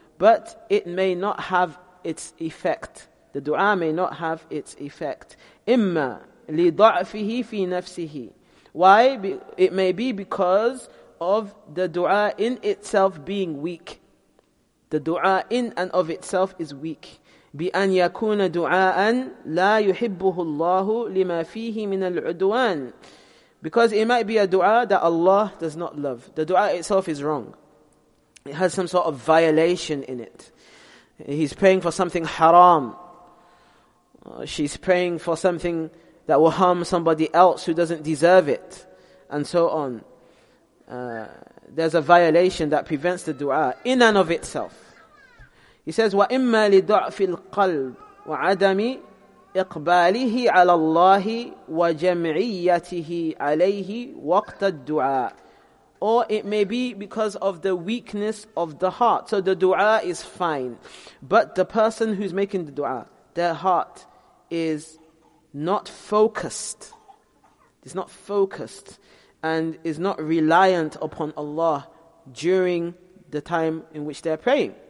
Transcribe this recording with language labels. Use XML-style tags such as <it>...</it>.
<en>But it may not have its effect. The dua may not have its effect.</en> <ar>إِمَّا لِضَعْفِهِ فِي نَفْسِهِ.</ar> <en>Why? It may be because of the dua in itself being weak. The dua in and of itself is weak.</en> <ar>بأن يكون دعاء لا يحبه الله لما فيه من العدوان.</ar> <en>Because it might be a dua that Allah does not love. The dua itself is wrong. It has some sort of violation in it. He's praying for something haram. She's praying for something that will harm somebody else who doesn't deserve it. And so on. There's a violation that prevents the dua in and of itself. He says,</en> <ar>وَإِمَّا لِضَعْفِ الْقَلْبِ وَعَدَمِ إِقْبَالِهِ عَلَى اللَّهِ وَجَمْعِيَّتِهِ عَلَيْهِ وَقْتَ الدُّعَاءِ. Or it may be because of the weakness of the heart. So the dua is fine. But the person who's making the dua, their heart is not focused. It's not focused and is not reliant upon Allah during the time in which they're praying.</ar>